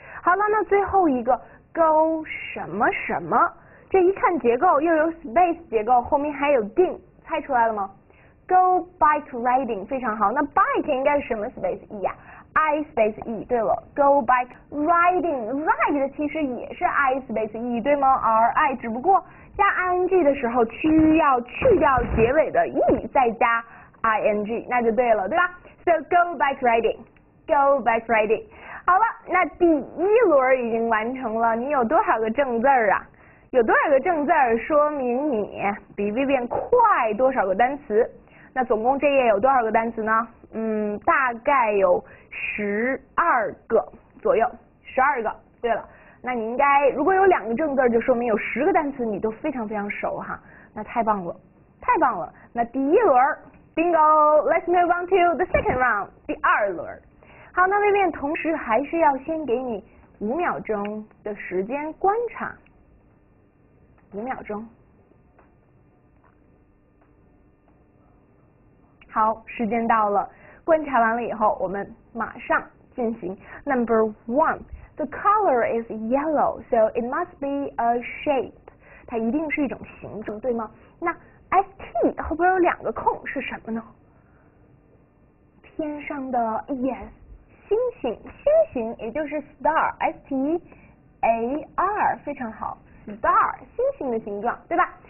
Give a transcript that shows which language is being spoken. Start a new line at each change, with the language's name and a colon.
Chinese: 好了，那最后一个 go 什么什么，这一看结构又有 space 结构，后面还有 ding， 猜出来了吗？ Go bike riding 非常好，那 bike 应该是什么 space e 呀、啊、？I space e 对了 ，Go bike riding ride 其实也是 I space e 对吗 ？R I 只不过加 I N G 的时候需要去掉结尾的 e 再加 I N G 那就对了，对吧 ？
English: So go bike riding， go bike riding。
Chinese: 好了，那第一轮已经完成了，你有多少个正字啊？有多少个正字说明你比 Vivian 快多少个单词？那总共这页有多少个单词呢？大概有12个左右，12个。对了，那你应该如果有两个正字，就说明有10个单词你都非常非常熟哈。那太棒了，太棒了。那第一轮 ，bingo，
English: let's move on to the second round，
Chinese: 第二轮。好，那Vivian同时还是要先给你 5秒钟的时间观察，5秒钟。好，时间到了，观察完了以后，我们马上进行 Number one。
English: The color is yellow, so it must be a shape.
Chinese: 它一定是一种形状，对吗？那 ST 后边有两个空是什么呢？天上的 yes，星星，星星也就是 star, STAR，非常好，star 星星的形状，对吧？